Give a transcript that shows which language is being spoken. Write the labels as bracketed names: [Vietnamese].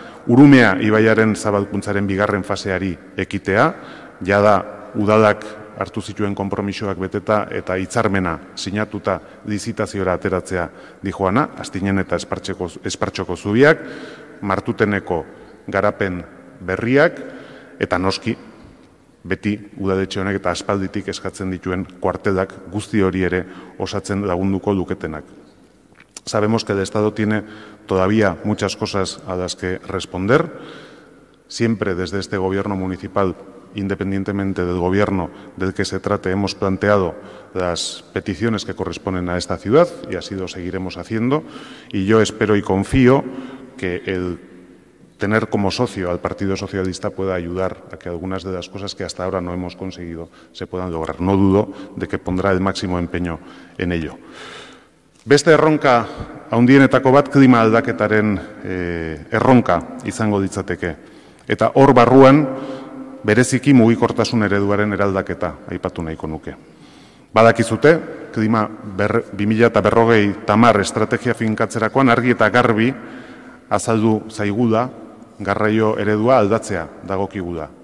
[Basque] Urumea ibaiaren zabalkuntzaren bigarren faseari ekitea, jada udalak hartu zituen konpromisoak beteta eta hitzarmena sinatuta lizitaziora ateratzea dijoana, Astinen eta Espartxoko zubiak, Martuteneko garapen berriak eta noski beti udaletxe honek eta aspalditik eskatzen dituen kuartelak guzti hori ere osatzen lagunduko luketenak. [Spanish] Sabemos que el Estado tiene todavía muchas cosas a las que responder. Siempre desde este gobierno municipal, independientemente del gobierno del que se trate, hemos planteado las peticiones que corresponden a esta ciudad y así lo seguiremos haciendo. Y yo espero y confío que el tener como socio al Partido Socialista pueda ayudar a que algunas de las cosas que hasta ahora no hemos conseguido se puedan lograr. No dudo de que pondrá el máximo empeño en ello. [Basque] Beste erronka handienetako bat klima aldaketaren erronka izango ditzateke. Eta hor barruan bereziki mugikortasun ereduaren eraldaketa aipatu nahiko nuke. Badakizute, klima 2050 estrategia finkatzerakoan argi eta garbi azaldu zaigula garraio eredua aldatzea dagokiguda.